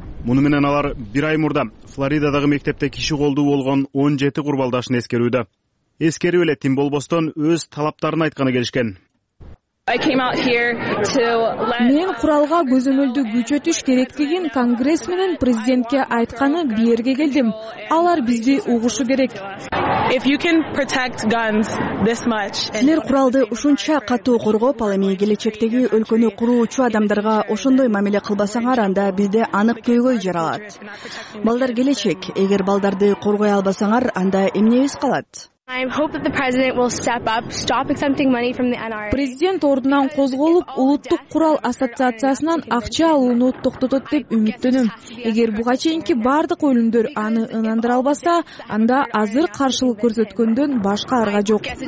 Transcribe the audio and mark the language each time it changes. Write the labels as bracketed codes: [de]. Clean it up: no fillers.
[ky] Муну менен алар бир ай мурда Флоридадагы мектепте киши колдуу болгон 17 курбалдашын эскерүүдө. Эскерүү эле тим болбостон өз талаптарын айтканы келишкен. Мен куралга көзөмөлдү күчөтүш керектигин конгресс менен президентке айтканы бийерге келдим. Алар бизди угушу керек. [en] If you can protect guns this much. [ky] Силер куралды ушунча катуу коргоп, ал эми келечектеги өлкөнү куруучу адамдарга ошондой мамиле кылбасаңар, анда бизде анык көйгөй жаралат. Балдар келечек. Эгер балдарды коргой албасаңар, анда эмнебиз калат? [en] I hope that the president will step up, stop accepting money from the NRA. [ky] Президент ордунан козголуп, улуттук курал ассоциациясынан акча алууну токтотот деп үмүттөнөм. Эгер буга чейинки бардык өлүмдөр аны ынандыра албаса, анда азыр каршылык көрсөткөндөн башка арга жок.